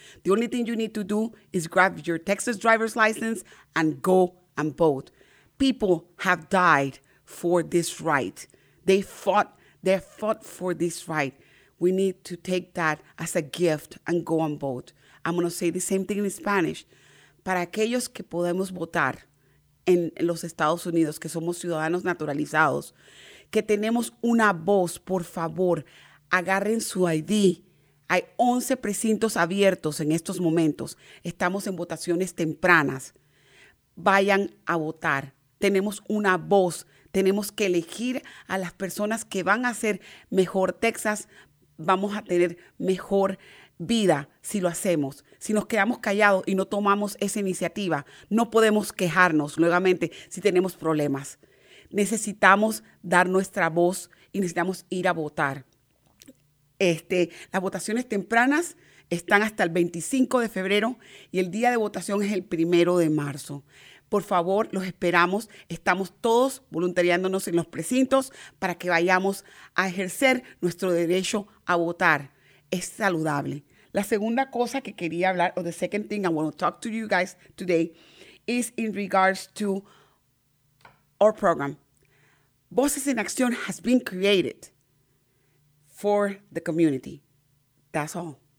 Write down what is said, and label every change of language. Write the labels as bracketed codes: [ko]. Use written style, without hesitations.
[en] The only thing you need to do is grab your Texas driver's license and go and vote. People have died for this right. They fought for this right. We need to take that as a gift and go and vote. I'm going to say the same thing in Spanish. [es] Para aquellos que podemos votar en los Estados Unidos, que somos ciudadanos naturalizados, que tenemos una voz, por favor, agarren su ID. Hay 11 precintos abiertos en estos momentos. Estamos en votaciones tempranas. Vayan a votar. Tenemos una voz. Tenemos que elegir a las personas que van a hacer mejor Texas. Vamos a tener mejor vida si lo hacemos. Si nos quedamos callados y no tomamos esa iniciativa, no podemos quejarnos nuevamente si tenemos problemas. Necesitamos dar nuestra voz y necesitamos ir a votar. Las votaciones tempranas están hasta el 25 de febrero y el día de votación es el 1 de marzo. Por favor, los esperamos. Estamos todos voluntariándonos en los precintos para que vayamos a ejercer nuestro derecho a votar. Es saludable. La segunda cosa que quería hablar, [en] or the second thing I want to talk to you guys today, is in regards to our program. Voces en Acción has been created for the community. That's all.